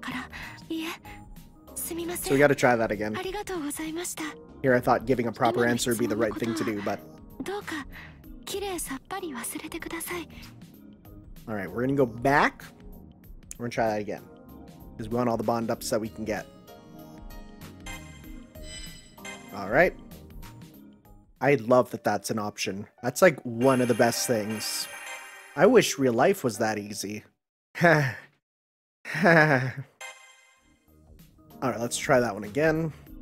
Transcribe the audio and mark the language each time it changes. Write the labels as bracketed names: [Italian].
[Japanese] そうですよね。そう。確かにあなたは記憶も経験も失っているのだから。真っさらなあなたと私は出会ったのだから。いえ。すみません。 [English] So we gotta try that again. [Japanese] ありがとうございました。 [English] Here I thought giving a proper answer would be the right thing to do, but [Japanese] どうか綺麗さっぱり忘れてください。 [English] All right, we're gonna go back. We're gonna try that again. Because we want all the bond ups that we can get. Alright. I love that that's an option. That's like one of the best things. I wish real life was that easy. Alright, let's try that one again.